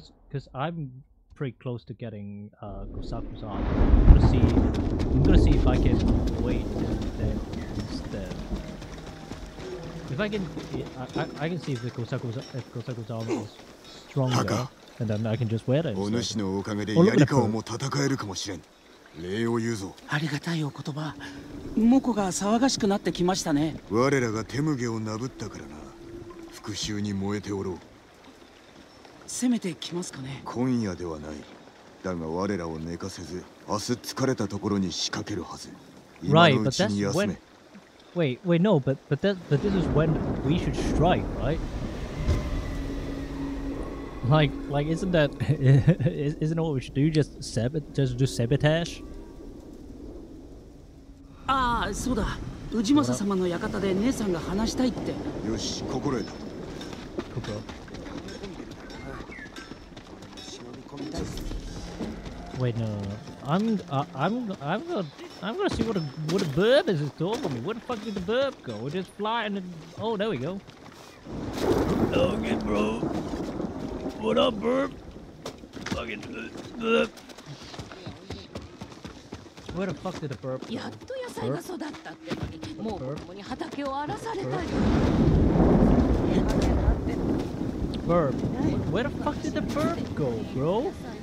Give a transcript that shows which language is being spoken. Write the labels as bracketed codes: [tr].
[en] Cause I'm pretty close to getting Kusaku's arm. I'm gonna see if I can wait then instead. If I can, I can see if Kusaku's arm is stronger, and then I can just wear it. [ja] お主のおかげでヤリカワも戦えるかもしれん。礼を言うぞ。ありがたいお言葉。モコが騒がしくなってきましたね。我らがテムゲを殴ったからな。復讐に燃えておろう。攻めてきますかね。今夜ではない。だが我らを寝かせず、明日疲れたところに仕掛けるはず。今のうちに休め。 [en] Wait, no, but this is when we should strike, right? Like, isn't that isn't what we should do? Just do sabotage? [ja] Ah, そうだ。宇治政様の館で姉さんが話したいって。よし、心得た。ここ。 [en] Wait, no. I'm gonna see what a burp is talking to me. Where the fuck did the burp go? We're just flying and... Oh, there we go. Okay, bro. What up, burp? Fucking burp. Where the fuck did the burp go? [ja] やっと野菜が育ったってのに、もうここに畑を荒らされたい。 [en] Burp. Where the fuck did the burp go, bro?